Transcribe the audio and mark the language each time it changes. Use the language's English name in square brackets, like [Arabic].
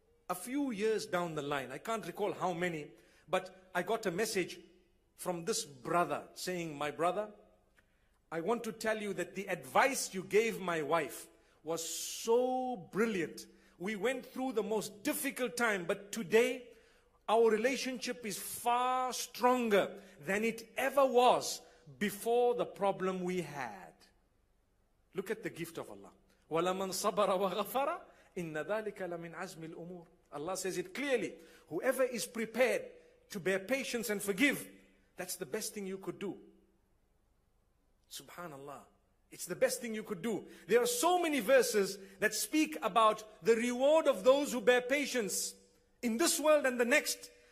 [English] A few years down the line, I can't recall how many, but I got a message from this brother saying, my brother, I want to tell you that the advice you gave my wife was so brilliant. We went through the most difficult time, but today our relationship is far stronger than it ever was before the problem we had. Look at the gift of Allah. [Arabic] وَلَمَنْ صَبَرَ وَغَفَرَ إِنَّ ذَلِكَ لَمِنْ عَزْمِ الْأُمُورِ [English] Allah says it clearly. Whoever is prepared to bear patience and forgive, that's the best thing you could do. Subhanallah. It's the best thing you could do. There are so many verses that speak about the reward of those who bear patience in this world and the next.